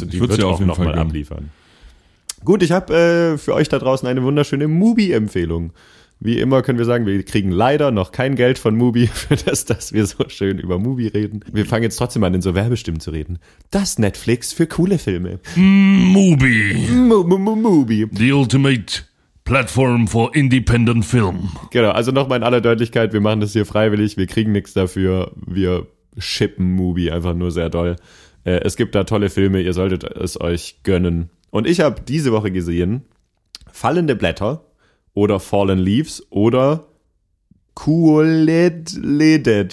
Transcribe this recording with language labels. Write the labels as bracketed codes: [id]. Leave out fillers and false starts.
[de] Absolut, ich würde sie auch nochmal abliefern. Gut, ich habe für euch da draußen eine wunderschöne Mubi-Empfehlung. Wie immer können wir sagen, wir kriegen leider noch kein Geld von Mubi für das, dass wir so schön über Mubi reden. Wir fangen jetzt trotzdem an, in so Werbestimmen zu reden. Das Netflix für coole Filme. Mubi. Mubi. [en] The ultimate platform for independent film. [de] Genau, also nochmal in aller Deutlichkeit, wir machen das hier freiwillig, wir kriegen nichts dafür. Wir shippen Mubi einfach nur sehr doll. Es gibt da tolle Filme, ihr solltet es euch gönnen. Und ich habe diese Woche gesehen, Fallende Blätter. Oder Fallen Leaves oder Kuoledledet.